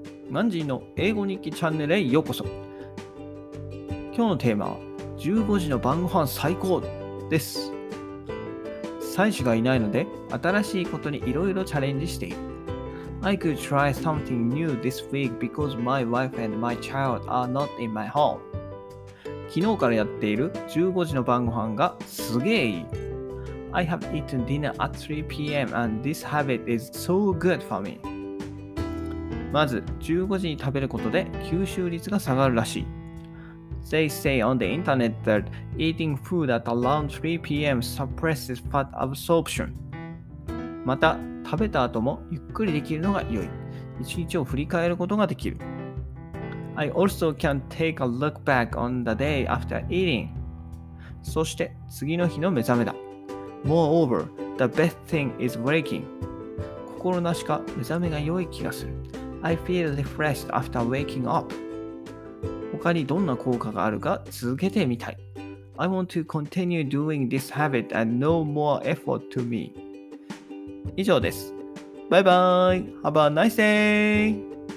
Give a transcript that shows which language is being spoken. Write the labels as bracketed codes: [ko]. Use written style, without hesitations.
[ja] マンジーの英語日記チャンネルへようこそ。今日のテーマは15時の晩御飯最高です。妻子がいないので新しいことにいろいろチャレンジしている。 [en] I could try something new this week because my wife and my child are not in my home。 [ja] 昨日からやっている15時の晩御飯がすげえいい。 [en] I have eaten dinner at 3 p.m. and this habit is so good for me。 [ja] まず15時に食べることで吸収率が下がるらしい。 [en] They say on the internet that eating food at around 3 p.m. suppresses fat absorption。 [ja] また食べた後もゆっくりできるのが良い。一日を振り返ることができる。 [en] I also can take a look back on the day after eating。 [ja] そして次の日の目覚めだ。 [en] Moreover, the best thing is waking. [ja] 心なしか目覚めが良い気がする。 [en] I feel refreshed after waking up. [ja] 他にどんな効果があるか続けてみたい。 [en] I want to continue doing this habit and no more effort to me. [ja] 以上です。バイバイ。 [en] Have a nice day!